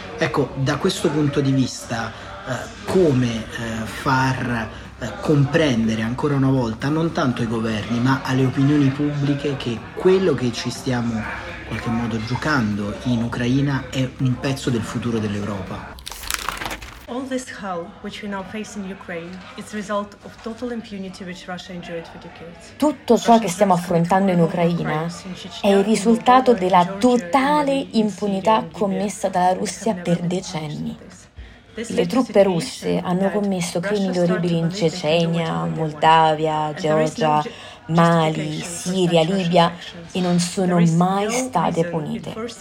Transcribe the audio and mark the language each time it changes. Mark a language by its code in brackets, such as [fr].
[it] Ecco, da questo punto di vista, come far comprendere ancora una volta, non tanto ai governi, ma alle opinioni pubbliche, che quello che ci stiamo in qualche modo giocando in Ucraina è un pezzo del futuro dell'Europa? [en] All this hell which we now face in Ukraine is the result of total impunity which Russia enjoyed for decades. [it] Tutto ciò che stiamo affrontando in Ucraina è il risultato della totale impunità commessa dalla Russia per decenni. Le truppe russe hanno commesso crimini orribili in Cecenia, Moldavia, Georgia, Mali, Siria, Libia e non sono mai state punite.